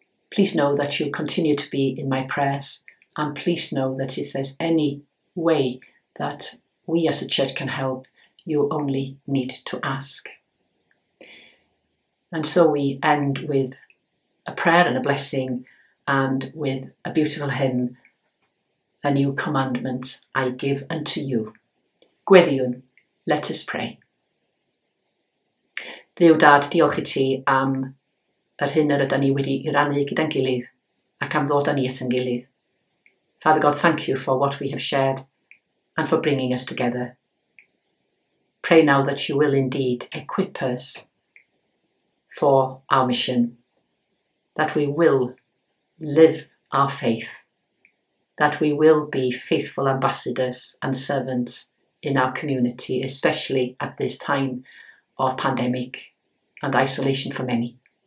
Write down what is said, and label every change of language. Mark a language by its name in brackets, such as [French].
[English] Please know that you continue to be in my prayers, and please know that if there's any way that we as a church can help, you only need to ask. And so we end with a prayer and a blessing, and with a beautiful hymn, A New Commandment I Give Unto You. [Welsh] Gweddion, [English] let us pray. [Welsh] Dduw dad, diolch i ti am yr hyn yr ydym ni wedi i rannu gyda'n gilydd ac am ddod â ni at yn gilydd. [English] Father God, thank you for what we have shared and for bringing us together. Pray now that you will indeed equip us for our mission, that we will live our faith, that we will be faithful ambassadors and servants in our community, especially at this time of pandemic and isolation for many.